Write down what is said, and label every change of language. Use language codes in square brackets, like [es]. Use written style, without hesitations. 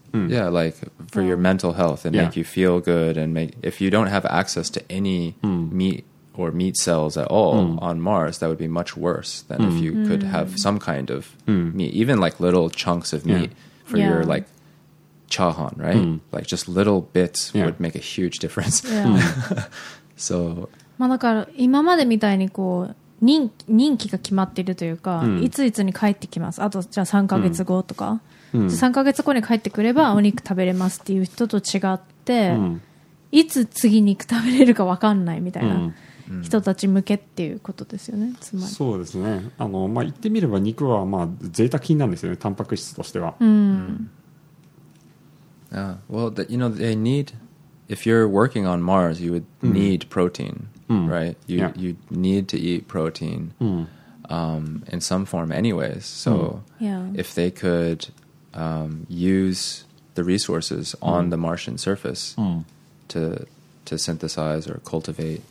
[en] Yeah, like for your mental health and make you feel good, and make, if you don't have access to any meat or meat cells at all on Mars, that would be much worse than if you could have some kind of meat, even like little chunks of meat for your like chahan, right? Like just little bits would make a huge difference. So, [ja] まあだから今までみたいにこう任期が決まっているというか、いついつに帰ってきます。あとじゃあ3ヶ月後とか、3ヶ月後に帰ってくればお肉食べれますっていう人と違って、いつ次肉食べれるか分かんないみたいな人たち向けっていうことですよね。つまり。そうですね。まあ言ってみれば肉はまあ贅沢品なんですよね。タンパク質としては。 [en] Well, the, you know, they need, if you're working on Mars, you would need protein, right? You you need to eat protein in some form anyways. So if they could use the resources on the Martian surface to synthesize or cultivate